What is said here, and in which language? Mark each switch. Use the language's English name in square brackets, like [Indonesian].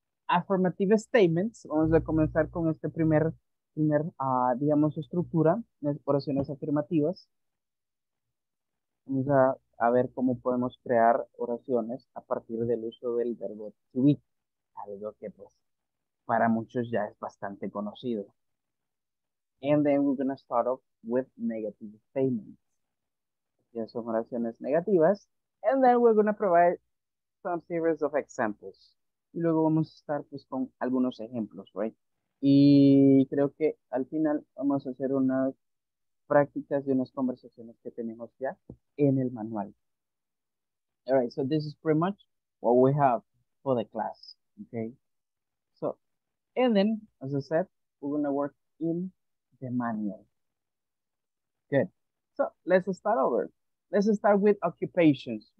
[English] Affirmative statements. [Spanish] Vamos a comenzar con este primer, digamos, estructura, las oraciones afirmativas. Vamos a ver cómo podemos crear oraciones a partir del uso del verbo to be, algo que pues para muchos ya es bastante conocido. [English] And then we're going to start off with negative statements. [Spanish] Ya son oraciones negativas. [English] And then we're going to provide some series of examples. [Spanish] Y luego vamos a estar pues con algunos ejemplos, right? Y creo que al final vamos a hacer unas prácticas de unas conversaciones que tenemos ya en el manual. [English] All right, so this is pretty much what we have for the class, okay? And then, as I said, we're going to work in the manual. Good. So, let's start over. Let's start with occupations.